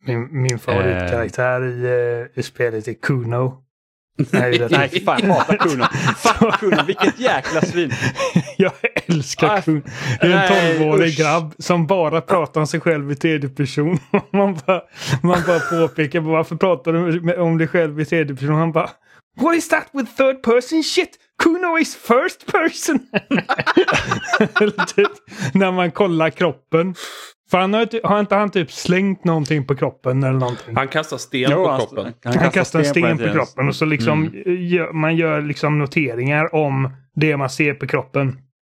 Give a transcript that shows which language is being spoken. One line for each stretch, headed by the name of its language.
Swedish: Min favoritkaraktär i spelet är Kuno. Nej, fan, jag hatar Kuno. Fan, Kuno, vilket jäkla svin. Jag älskar Kuno. Det är en 12-årig grabb som bara pratar om sig själv i tredje person. Man bara påpekar, varför pratar du om dig själv i tredje person? Han bara,
English: what is that with third person shit? Kuno is first person.
Swedish: Typ, när man kollar kroppen. För han har inte han typ slängt någonting på kroppen eller någonting. Han kastar sten på kroppen. Han kastar sten på kroppen och så liksom gör liksom noteringar om det man ser på kroppen.